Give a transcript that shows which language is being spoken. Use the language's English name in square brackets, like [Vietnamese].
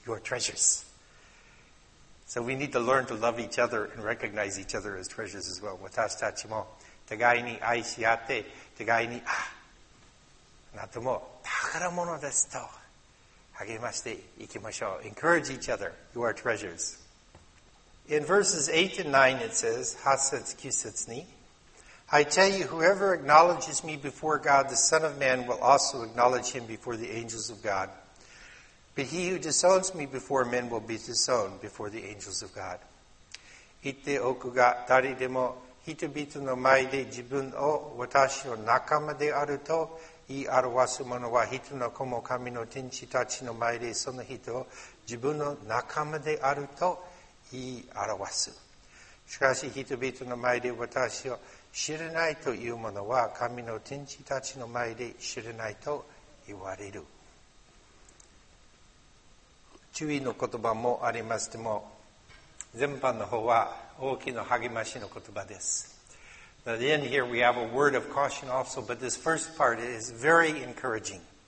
[English] You are treasures. So we need to learn to love each other and recognize each other as treasures as well. [Japanese] 私たちも互いに愛し合って、互いに、あ、なんとも宝物ですと励ましていきましょう。 [English] Encourage each other. You are treasures. In verses 8 and 9 it says, [Japanese] 8節9節に [English] I tell you, whoever acknowledges me before God, the Son of Man will also acknowledge him before the angels of God. But he who disowns me before men will be disowned before the angels of God. [Japanese] 言っておくが、誰でも人々の前で自分を私の仲間であると言い表す者は人の子も神の天使たちの前でその人を自分の仲間であると言い表す。しかし人々の前で私を知らないというものは神の天使たちの前で知らないと言われる。注意の言葉もありますでも、全般の方は大きな励ましの言葉です。 [English] At the end here we have a word of caution also, but this first part is very encouraging.